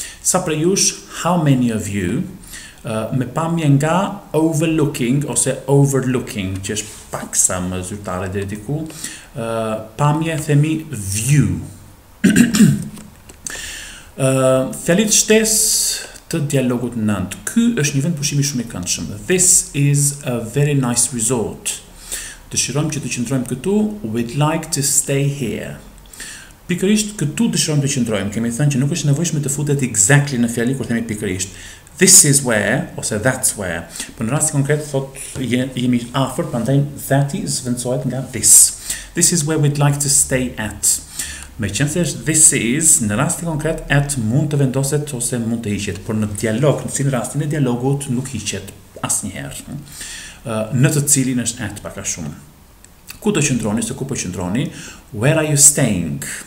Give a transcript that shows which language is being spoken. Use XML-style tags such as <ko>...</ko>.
<sq>Sa për jush,</sq> <en>how many of you,</en> <sq>me pamjen nga overlooking, ose overlooking, që është pak sa më zyrtare dhe diku, pamje themi view. Fjalit shtes të dialogut 9. Ky është një vend pushimi shumë I këndshëm.</sq> <en>This is a very nice resort.</en> <sq>Dëshirojmë që të qëndrojmë këtu.</sq> <en>We'd like to stay here.</en> <sq>Pikërisht këtu dëshirojmë të qëndrojmë. Kemi thënë që nuk është nevojshme të futet exactly në fjali kur themi pikërisht.</sq> <en>This is where ose that's where.</en> <sq>Për në rastin konkret thot jemi afër, prandaj that is zvendësohet nga this.</sq> <en>This is where we'd like to stay at.</en> <sq>Me qënë se është this is, në rastin konkret, at mund të vendoset ose mund të hiqet, por në dialog, në cilë rastin e dialogut, nuk hiqet asnjëherë. Në të cilin është at paka shumë. Ku të qëndroni, se ku po qëndroni,</sq> <en>where are you staying?</en>